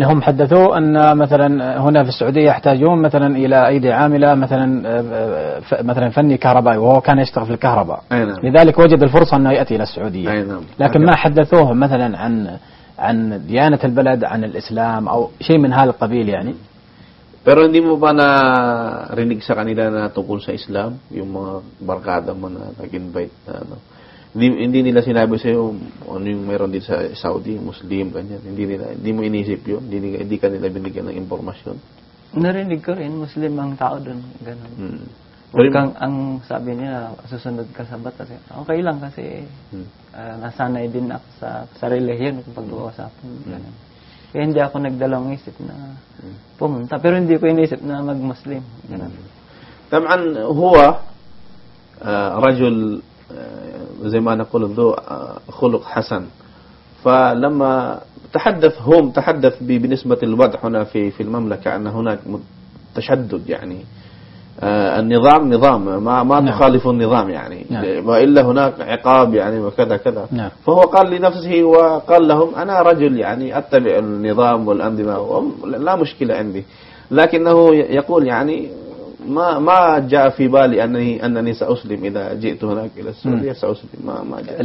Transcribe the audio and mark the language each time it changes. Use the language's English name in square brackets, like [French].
[Arabic] يعني هم حدثوا أن مثلا هنا في السعودية يحتاجون مثلا إلى أيدي عاملة مثلا فني كهربائي وهو كان يشتغل في الكهرباء لذلك وجد الفرصة أنه يأتي إلى السعودية لكن ما حدثوه مثلا عن ديانة البلد عن الإسلام أو شيء من هذا القبيل يعني [Filipino] pero hindi mo ba na rinig sa kanila na tungkol sa Islam yung mga barkada mo na nag-invite na ano hindi nila sinabi sa iyo ano yung meron din sa Saudi Muslim ganyan hindi nila hindi mo inisip yun hindi kanila binigyan ng impormasyon narinig ko rin Muslim ang tao dun ganun Kung ang sabi nila susunod ka sa batas okay lang kasi nasanay din ako sa relihiyon kung pag-uusapin ganun kaya hindi ako nagdalawang isip na pumunta pero hindi ko inisip na mag-Muslim ganun [Arabic] tamaan huwa rajul زي ما نقول ذو خلق حسن فلما تحدث بنسبة الوضع هنا في المملكة أن هناك تشدد يعني النظام نظام ما تخالف النظام يعني وإلا هناك عقاب يعني وكذا كذا فهو قال لنفسه وقال لهم أنا رجل يعني أتبع النظام والأنظمة لا مشكلة عندي لكنه يقول يعني ما جاء في بالي أنني سأسلم إذا جئت هناك إلى السعودية سأسلم ما جاء